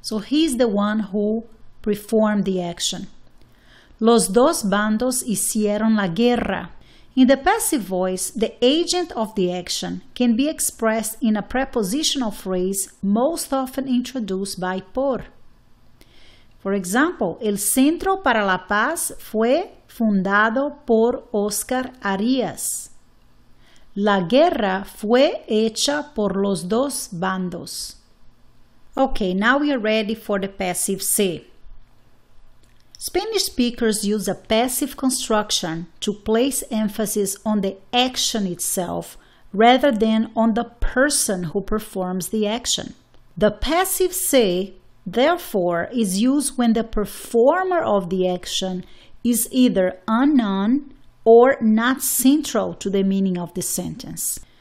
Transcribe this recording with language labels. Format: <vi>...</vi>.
<en>So he's the one who performed the action. Los dos bandos hicieron la guerra. In the passive voice, the agent of the action can be expressed in a prepositional phrase most often introduced by por. For example, el Centro para la Paz fue fundado por Oscar Arias.</en> <es>La guerra fue hecha por los dos bandos.</es> <en>Okay, now we are ready for the passive se. Spanish speakers use a passive construction to place emphasis on the action itself rather than on the person who performs the action. The passive se, therefore, is used when the performer of the action is either unknown or not central to the meaning of the sentence.</en>